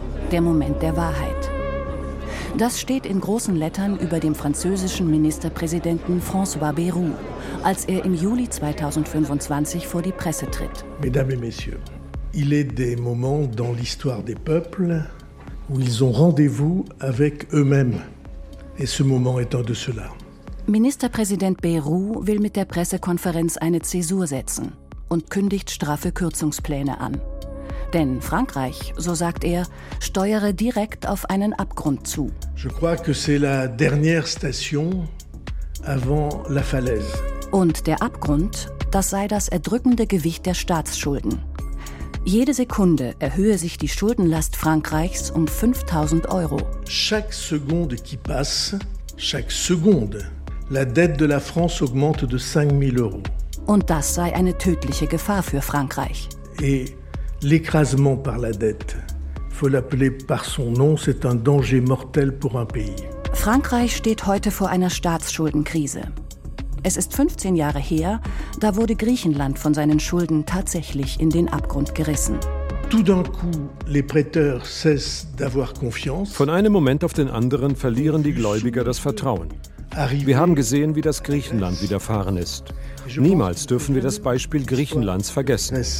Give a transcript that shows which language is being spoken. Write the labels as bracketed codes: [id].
[de] Der Moment der Wahrheit. Das steht in großen Lettern über dem französischen Ministerpräsidenten François Bayrou, als er im Juli 2025 vor die Presse tritt. [fr] Mesdames et messieurs, il est des moments dans l'histoire des peuples où ils ont rendez-vous avec eux-mêmes. Et ce moment est un de ceux-là. [de] Ministerpräsident Bayrou will mit der Pressekonferenz eine Zäsur setzen und kündigt straffe Kürzungspläne an. Denn Frankreich, so sagt er, steuere direkt auf einen Abgrund zu. [fr] Je crois que c'est la dernière station avant la falaise. [de] Und der Abgrund, das sei das erdrückende Gewicht der Staatsschulden. Jede Sekunde erhöhe sich die Schuldenlast Frankreichs um 5.000 Euro. [fr] Chaque seconde qui passe, chaque seconde, la dette de la France augmente de 5.000 Euro. [de] Und das sei eine tödliche Gefahr für Frankreich. [fr] Et l'écrasement par la dette, faut l'appeler par son nom, c'est un danger mortel pour un pays. [de] Frankreich steht heute vor einer Staatsschuldenkrise. Es ist 15 Jahre her, da wurde Griechenland von seinen Schulden tatsächlich in den Abgrund gerissen. [fr] Tout d'un coup, les prêteurs cessent d'avoir confiance. [de] Von einem Moment auf den anderen verlieren die Gläubiger das Vertrauen. Wir haben gesehen, wie das Griechenland widerfahren ist. Niemals dürfen wir das Beispiel Griechenlands vergessen.